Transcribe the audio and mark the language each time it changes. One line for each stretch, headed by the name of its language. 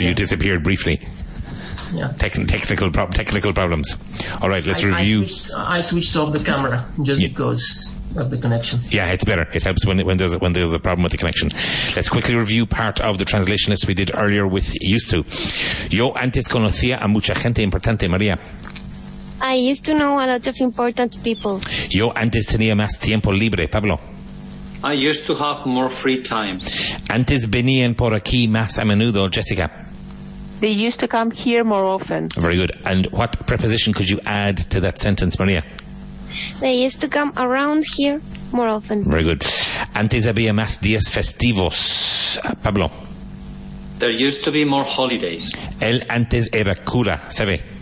English: Yeah. You disappeared briefly. Yeah. Technical problems. All right, let's review. I switched off the camera because of the connection. Yeah, it's better. It helps when there's a problem with the connection. Let's quickly review part of the translation list we did earlier with used to.
Spanish: Yo antes conocía a mucha gente importante, María.
English: I used to know a lot of important people.
Spanish: Yo antes tenía más tiempo libre, Pablo.
English: I used to have more free time.
Spanish: Antes venían por aquí más a menudo, Jessica.
English: They used to come here more often. Very good. And what preposition could you add to that sentence, María? They used to come around here more often. Very good.
Spanish: Antes había más días festivos, Pablo.
English: There used to be more holidays.
Spanish: Él antes era cura, Sebe.